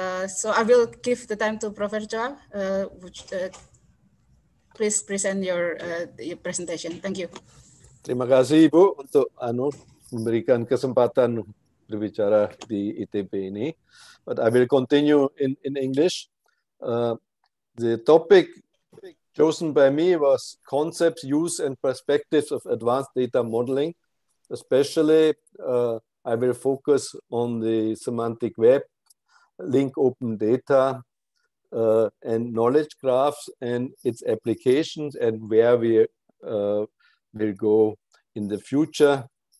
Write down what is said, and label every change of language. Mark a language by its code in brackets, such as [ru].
[en] So I will give the time to Professor Chua, please present your presentation. Thank you. [id] Terima kasih Ibu untuk memberikan kesempatan berbicara di ITB ini. [en] But I will continue in English. The topic chosen by me was concepts, use, and perspectives of advanced data modeling. Especially, I will focus on the semantic web, link open data and knowledge graphs and its applications and where we will go in the future.